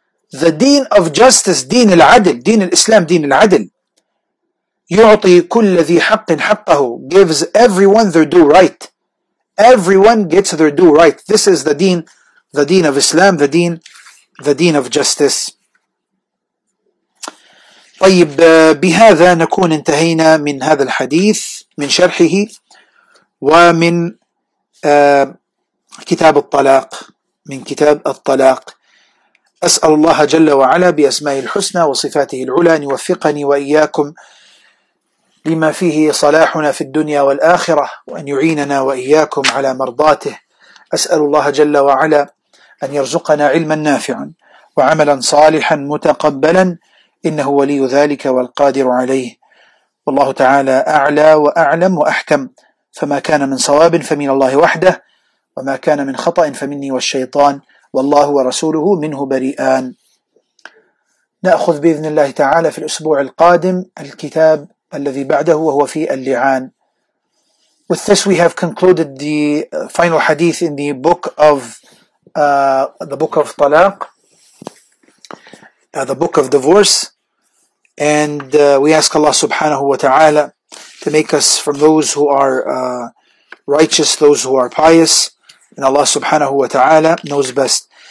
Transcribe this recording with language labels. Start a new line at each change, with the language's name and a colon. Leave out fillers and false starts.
English: The deen of justice, deen al-adl, deen al-Islam, deen al-adl.
Arabic: يُعْطِي كُلَّ ذِي حَقٍ حَقَّهُ,
English: gives everyone their due right. Everyone gets their due right. This is the deen of Islam, the deen of justice.
Arabic: طيب بهذا نكون انتهينا من هذا الحديث من شرحه ومن كتاب الطلاق من كتاب الطلاق. أسأل الله جل وعلا بأسمائه الحسنى وصفاته العلى أن يوفقني وإياكم لما فيه صلاحنا في الدنيا والآخرة وأن يعيننا وإياكم على مرضاته. أسأل الله جل وعلا أن يرزقنا علما نافعا وعملا صالحا متقبلا إنه ولي ذلك والقادر عليه. والله تعالى أعلى وأعلم وأحكم. فما كان من صواب فمن الله وحده, وما كان من خطأ فمني والشيطان, والله ورسوله منه بريئان. نأخذ بإذن الله تعالى في الأسبوع القادم الكتاب الذي بعده وهو في اللعان.
English: With this we have concluded the final hadith in the book of Talaq, the book of divorce, and we ask Allah subhanahu wa ta'ala to make us from those who are righteous, those who are pious, and Allah subhanahu wa ta'ala knows best.